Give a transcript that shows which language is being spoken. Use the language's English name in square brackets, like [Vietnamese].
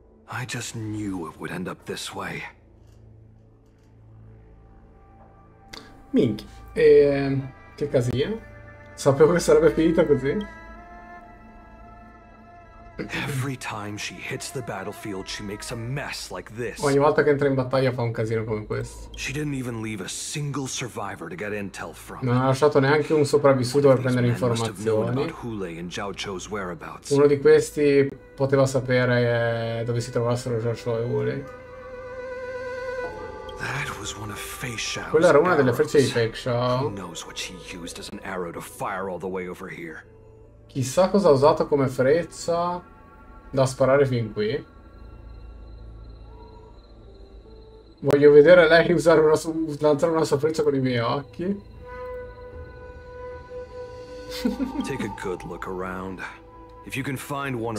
[English] I just knew it would end up this way. [Italian] Minchia. Che casino. Sapevo che sarebbe finita così. [English] Every time she hits the battlefield, she makes a mess like this. [Italian] Ogni volta che entra in battaglia fa un casino come questo. [English] She didn't even leave a single survivor to get intel from. [Italian] Non ha lasciato neanche un sopravvissuto per prendere informazioni. Uno di questi poteva sapere dove si trovassero Zhao Qiu e Wu Lei. [English] That was one of Fei Shao's. [Italian] Quella era una delle frecce di Fei Shao. [English] Who knows what she used as an arrow to fire all the way over here. [Italian] Chissà cosa ha usato come freccia da sparare fin qui. Voglio vedere lei usare una lanciare una sua freccia con i miei occhi. [English] Take a good look around. If you can find one or